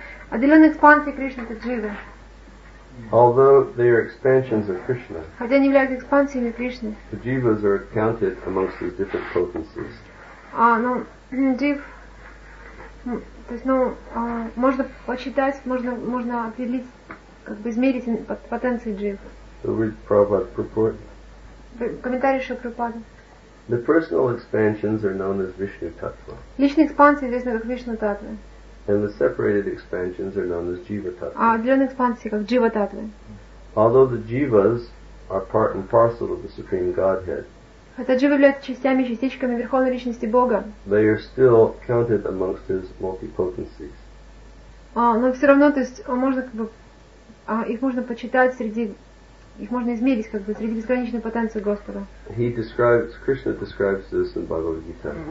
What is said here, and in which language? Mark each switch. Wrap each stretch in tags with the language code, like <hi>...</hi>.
<ru>Отделенные экспансии Кришны — это дживы.</ru> <en>Although they are expansions of Krishna.</en> <ru>Хотя они являются экспансиями Кришны.</ru> <en>The jivas are counted amongst the different potencies.</en> <ru>А, ну, див, то есть, ну, можно посчитать, можно определить, как бы измерить потенции джив.</ru> <en>So read Prabhupada's purport.</en> <ru>Комментарий Шри Прабхупады.</ru> <en>The personal expansions are known as Vishnu Tattva.</en> <ru>Личные экспансии известны как Вишну Таттва.</ru> <en>And the separated expansions are known as Jiva Tattva.</en> <ru>А отделенные экспансии как Джива Таттва.</ru> <en>Although the jivas are part and parcel of the Supreme Godhead.</en> <ru>Хотя дживы являются частями, частичками Верховной Личности Бога.</ru> <en>They are still counted amongst his multipotencies.</en> <ru>Но все равно, то есть, можно как бы их можно почитать среди их можно измерить как бы среди бесконечной потенции Господа.</ru> <en>He describes, Krishna describes this in Bhagavad Gita.</en>